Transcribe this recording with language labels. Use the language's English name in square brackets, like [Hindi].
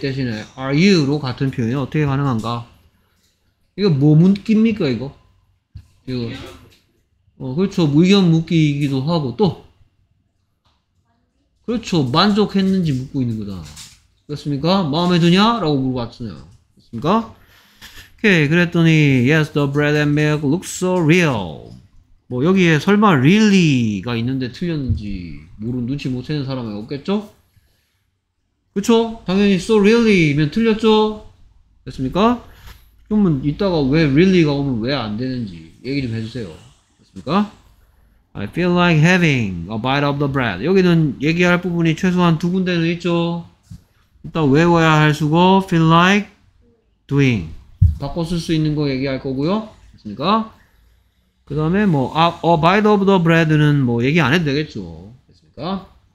[Korean] 대신에 [English] are you [Korean] 로 같은 표현이 어떻게 가능한가? 이거 뭐 묻기입니까, 이거? 이거. 그렇죠. 의견 묻기이기도 하고, 또. 그렇죠. 만족했는지 묻고 있는 거다. 그렇습니까? 마음에 드냐? 라고 물어봤잖아요. 그렇습니까? 오케이. 그랬더니, [English] yes, the bread and milk looks so real. [Korean] 뭐, 여기에 설마 really가 있는데 틀렸는지 모르는 눈치 못 채는 사람은 없겠죠? 그쵸? 당연히 so really면 틀렸죠? 됐습니까? 그러면 이따가 왜 really가 오면 왜 안 되는지 얘기 좀 해주세요. 됐습니까? [English] I feel like having a bite of the bread. [Korean] 여기는 얘기할 부분이 최소한 두 군데는 있죠? 이따 외워야 할 수고, [English] feel like doing. [Korean] 바꿔 쓸 수 있는 거 얘기할 거고요. 됐습니까? 그 다음에 뭐, [English] a bite of the bread [Korean] 는 뭐 얘기 안 해도 되겠죠. 됐습니까?